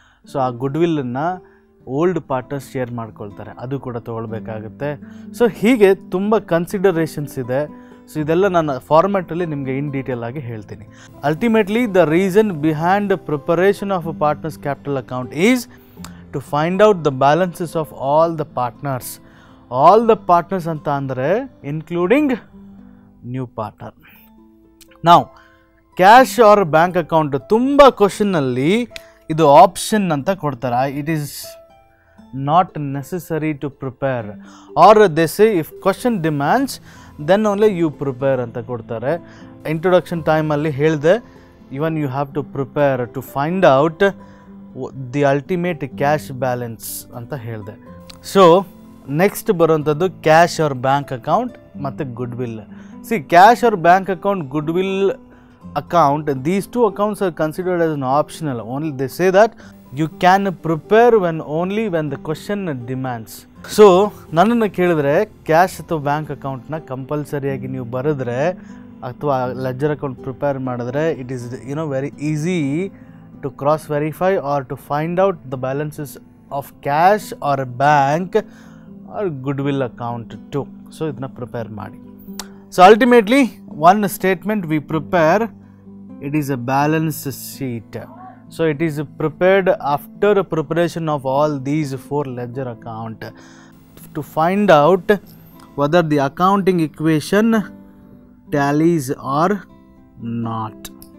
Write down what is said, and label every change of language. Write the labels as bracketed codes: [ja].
[kn] So ಆ good ವಿಲ್ನ old partners share ಮಾಡ್ಕೊಳ್ತಾರೆ, ಅದು ಕೂಡ ತಗೊಳ್ಬೇಕಾಗತ್ತೆ. ಸೊ ಹೀಗೆ ತುಂಬ ಕನ್ಸಿಡರೇಷನ್ಸ್ ಇದೆ. ಸೊ ಇದೆಲ್ಲ ನಾನು ಫಾರ್ಮೆಟಲ್ಲಿ ನಿಮಗೆ ಇನ್ ಡೀಟೇಲ್ ಆಗಿ ಹೇಳ್ತೀನಿ. [en] Ultimately the reason behind preparation of partners capital account is to find out the balances of all the partners. All the partners [kn] anta andre [en] including new partner. Now cash or bank account, [kn] tumba question alli idu option anta kodtara. [en] It is not necessary to prepare, or they say if question demands then only you prepare [kn] anta kodtare. [en] Introduction time [kn] alli helde [en] even you have to prepare to find out the ultimate cash balance [kn] ಅಂತ ಹೇಳಿದೆ. [en] So next ಬರೋಂಥದ್ದು cash or bank account ಮತ್ತು goodwill. See, cash or bank account, goodwill account, these two accounts are considered as an optional. Only they say that you can prepare when only when the question demands. [kn] So ನನ್ನನ್ನು ಕೇಳಿದ್ರೆ cash ಅಥವಾ bank ಅಕೌಂಟ್ನ ಕಂಪಲ್ಸರಿಯಾಗಿ ನೀವು ಬರೆದ್ರೆ ಅಥವಾ leisure account prepare ಮಾಡಿದ್ರೆ [en] It is very easy to cross verify or to find out the balances of cash or bank or goodwill account too. [kn] So idna prepare maadi. [en] So ultimately one statement we prepare, it is a balance sheet. So it is prepared after preparation of all these four ledger account to find out whether the accounting equation tallies or not.